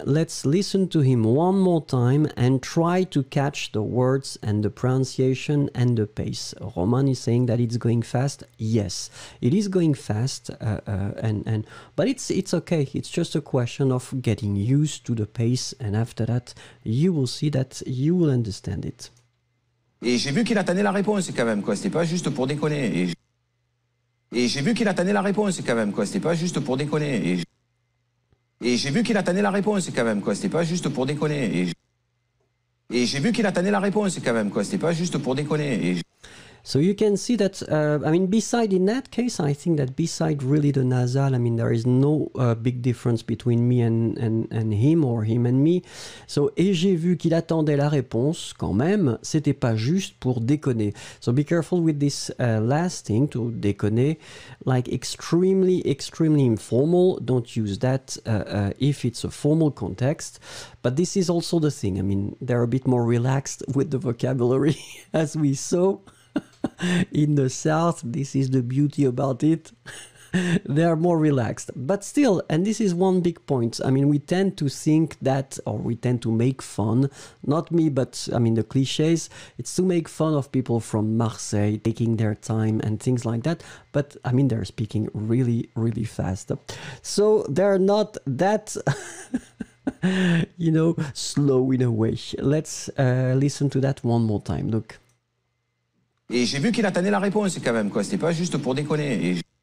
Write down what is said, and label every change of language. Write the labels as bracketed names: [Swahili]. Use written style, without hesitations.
[English] Let's listen to him one more time and try to catch the words and the pronunciation and the pace. Roman is saying that it's going fast. Yes, it is going fast, but it's okay. It's just a question of getting used to the pace, and after that, you will see that you will understand it. [French] Et j'ai vu qu'il attendait la réponse quand même, quoi. C'était pas juste pour déconner. Et j'ai vu qu'il attendait la réponse quand même, quoi. C'était pas juste pour déconner. Et j'ai vu qu'il attendait la réponse quand même, quoi. C'était pas juste pour déconner. Et j'ai vu qu'il attendait la réponse quand même, quoi. C'était pas juste pour déconner. [English] So you can see that, beside in that case, I think that beside really the nasal, I mean, there is no big difference between me and him or him and me. [French] So, et j'ai vu qu'il attendait la réponse quand même, c'était pas juste pour déconner. [English] So be careful with this last thing, to déconner, like extremely, extremely informal. Don't use that if it's a formal context. But this is also the thing, I mean, they're a bit more relaxed with the vocabulary, as we saw. In the South, this is the beauty about it. They are more relaxed. But still, and this is one big point. I mean, we tend to think that, or we tend to make fun, not me, but I mean, the cliches, it's to make fun of people from Marseille taking their time and things like that. But I mean, they're speaking really, really fast. So they're not that, you know, slow in a way. Let's listen to that one more time. Look. [French] Et j'ai vu qu'il attendait la réponse quand même, quoi. C'était pas juste pour déconner.